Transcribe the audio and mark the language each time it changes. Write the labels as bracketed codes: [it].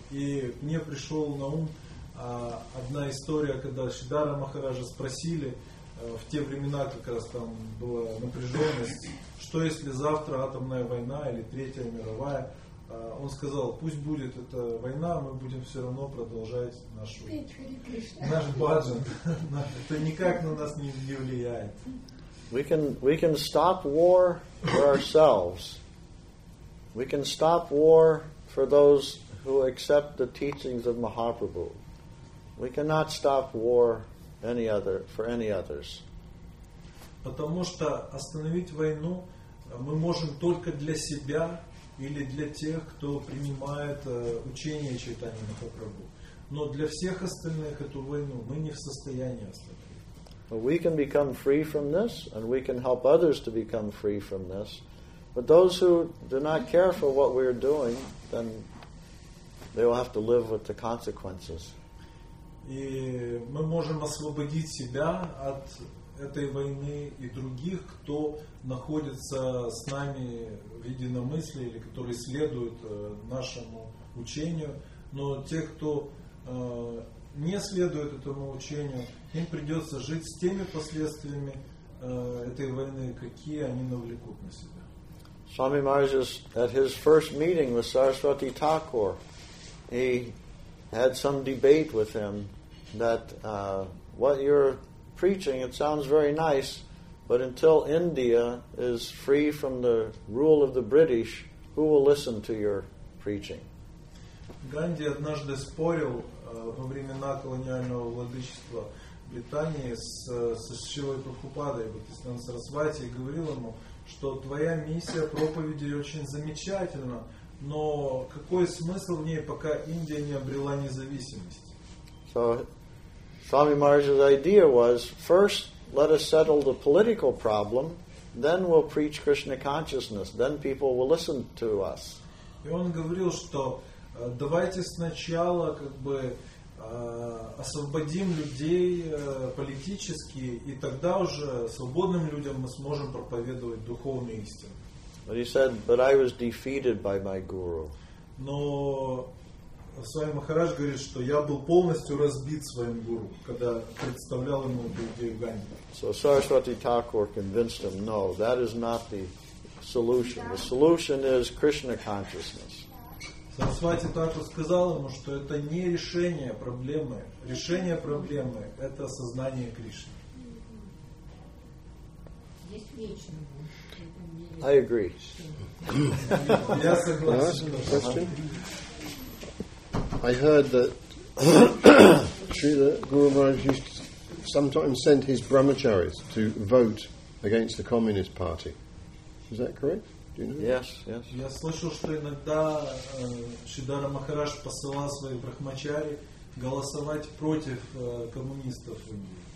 [ru] И мне пришел на ум одна история, когда Шридхара Махараджа спросили в те времена, как раз там была напряженность, что если завтра атомная война или третья мировая, он сказал, пусть будет эта война, мы будем все равно продолжать наш баджан. Это никак на нас не влияет. [en] We can stop war for ourselves. We can stop war for those who accept the teachings of Mahaprabhu. We cannot stop war for any others. [ru] Потому что остановить войну мы можем только для себя, или для тех, кто принимает учение Чайтанья Махапрабху. Но для всех остальных эту войну мы не в состоянии остановить. [en] We can become free from this, and we can help others to become free from this. But those who do not care for what we are doing, then they will have to live with the consequences. [ru] И мы можем освободить себя от этой войны и других, кто находится с нами в единомыслии или которые следуют нашему учению, но те, кто не следует этому учению, им придется жить с теми последствиями этой войны, какие они навлекут на себя. [en] Swami Maharaj is at his first meeting with Saraswati Thakur. He had some debate with him that what you're preaching, it sounds very nice, but until India is free from the rule of the British, who will listen to your preaching? [ru] Ганди однажды спорил во времена колониального владычества Британии с Шрилой Прабхупадой, Бхактисиддханта Сарасвати, и говорил ему, что твоя миссия проповеди очень замечательна, но какой смысл в ней, пока Индия не обрела независимость? [en] So, Swami Maharaj's idea was, first let us settle the political problem, then we'll preach Krishna consciousness, then people will listen to us. [ru] И он говорил, что давайте сначала как бы освободим людей политически, и тогда уже свободным людям мы сможем проповедовать духовные истины. [en] But he said, but I was defeated by my guru. [ru] Но Свами Махарадж говорит, что я был полностью разбит своим гуру, когда представлял ему идею Ганди. [en] So Saraswati Thakur convinced him, no, that is not the solution. The solution is Krishna consciousness. [ru] Сарасвати Тхакур сказал ему, что это не решение проблемы. Решение проблемы – это сознание Кришны. Здесь вечно. [en] I agree. [ru] Я согласен. [en] I heard that Srila Guru Maharaj used to sometimes send his brahmacharis to vote against the Communist Party. Is that correct? Do you know? Yes, yes. [ru] Я слышал, что иногда Шридхара Махарадж посылал своих брахмачари голосовать против коммунистов в Индии.